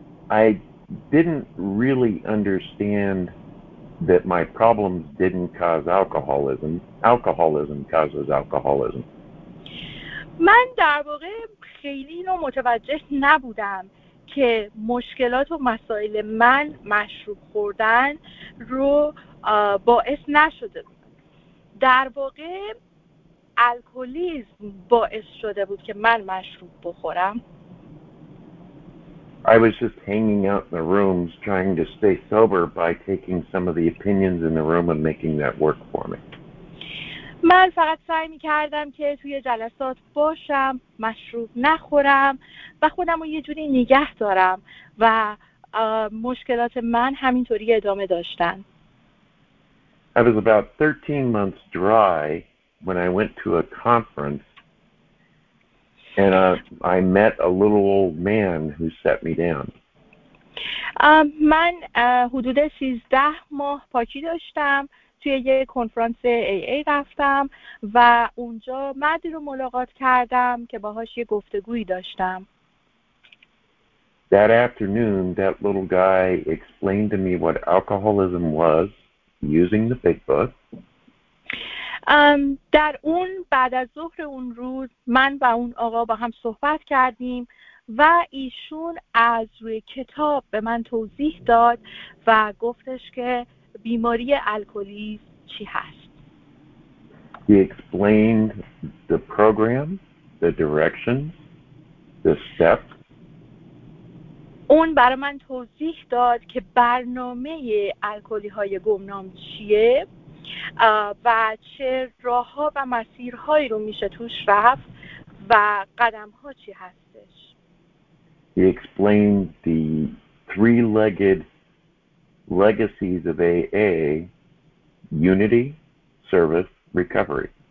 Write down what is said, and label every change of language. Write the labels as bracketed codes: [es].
[en] I didn't really understand that my problems didn't cause alcoholism. Alcoholism causes alcoholism. [fa] من در واقع خیلی اینو متوجه نبودم که مشکلات و مسائل من مشروب خوردن رو باعث نشده بود. در واقع الکلیسم باعث شده بود که من مشروب بخورم. [en] I was just hanging out in the rooms trying to stay sober by taking some of the opinions in the room and making that work for me. [fa] من فقط سعی می کردم که توی جلسات باشم، مشروب نخورم و خودم رو یه جوری نگه دارم و مشکلات من همینطوری ادامه داشتن. [en] I was about 13 months dry when I went to a conference and I met a little old man who set me down. [fa] من حدود 13 ماه پاکی داشتم، توی یه کنفرانس AA رفتم و اونجا مردی رو ملاقات کردم که باهاش یه گفتگویی داشتم. [en] That afternoon, that little guy explained to me what alcoholism was using the Big Book. [fa] در اون بعد از ظهر اون روز من و اون آقا با هم صحبت کردیم و ایشون از روی کتاب به من توضیح داد و گفتش که بیماری الکلیسم چی هست. [en] He explained the program, the directions, the steps. [fa] اون برای من توضیح داد که برنامه الکلی‌های گمنام چیه و چه راه‌ها و مسیرهایی رو میشه توش رفت و قدم‌ها چی هستش. [en] He explained the three-legged legacies of AA, unity, service, recovery.